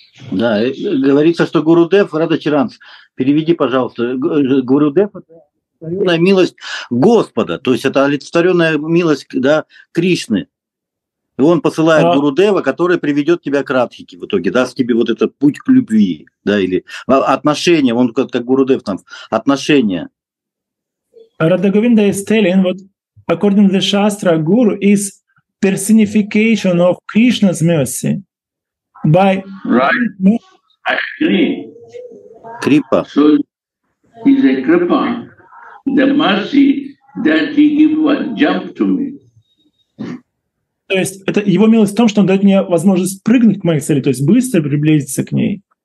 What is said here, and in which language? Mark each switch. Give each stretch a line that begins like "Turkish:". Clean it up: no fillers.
Russian: Да, говорится, что Гурудев, Радачаранс, переведи, пожалуйста, Гурудев — это олицетворенная милость Господа, то есть это олицетворенная милость, да, Кришны. И он посылает Гурудева, который приведет тебя к Радхике в итоге, даст тебе вот этот путь к любви, да, или отношения, он как Гурудев там, отношения.
English: Radha Govinda is telling, what, according to the Shastra, Guru is personification of Krishna's mercy. By right, I agree. Kripa. So he's a Kripa, the mercy that he give a jump to me.
Russian: То есть это его милость в том, что он дает мне возможность прыгнуть к моей цели, то есть быстро приблизиться к ней.